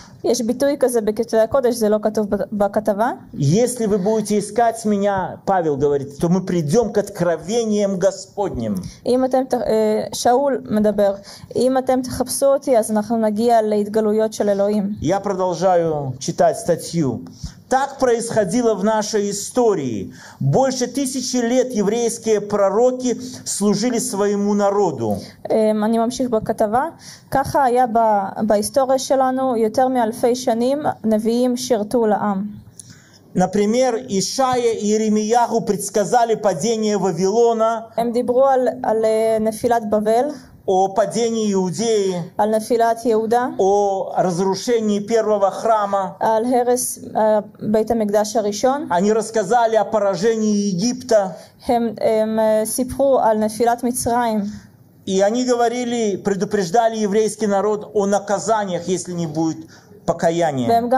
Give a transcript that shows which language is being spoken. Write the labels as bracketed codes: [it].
[he] יש ביטוי כזה בכתבי הקודש, זה לא כתוב בכתבה. [ru] Если вы будете искать меня, Павел говорит, то мы придем к откровениям Господним. [he] אם אתם, שאול מדבר, אם אתם תחפשו אותי, אז אנחנו נגיע להתגלויות של אלוהים. [ru] Я продолжаю читать статью. Так происходило в нашей истории. Больше тысячи лет еврейские пророки служили своему народу. [he] אני ממשיך בכתבה. ככה היה בהיסטוריה שלנו, יותר מאלפי שנים נביאים שירתו לעם. [ru] Например, Ишая и Иеремияху предсказали падение Вавилона. [he] הם דיברו על נפילת בבל. [ru] О падении Иудеи, о разрушении первого храма, они рассказали о поражении Египта, и они говорили, предупреждали еврейский народ о наказаниях, если не будет покаяния.